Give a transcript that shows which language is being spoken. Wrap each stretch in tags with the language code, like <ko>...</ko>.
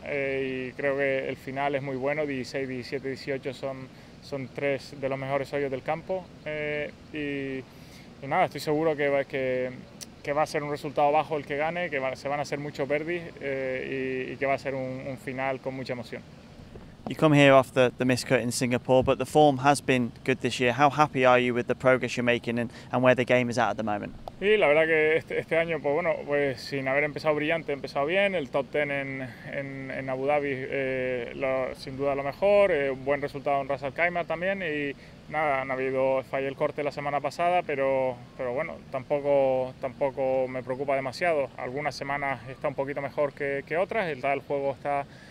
<es>Y creo que el final es muy bueno, 16, 17, 18 son tres de los mejores hoyos del campo. Y nada, estoy seguro que va a ser un resultado bajo el que gane, que se van a hacer muchos birdies y que va a ser un final con mucha emoción.</es> <en>You come here off the missed cut in Singapore, but the form has been good this year. How happy are you with the progress you're making and where the game is at the moment?</en> <es>Sí, la verdad que este año, pues bueno, pues sin haber empezado brillante, he empezado bien. El top 10 en Abu Dhabi, sin duda lo mejor. Un buen resultado en Ras Al Khaimah también. Y nada, fallé el corte la semana pasada, pero bueno, tampoco me preocupa demasiado. Algunas semanas está un poquito mejor que otras. El juego está</es>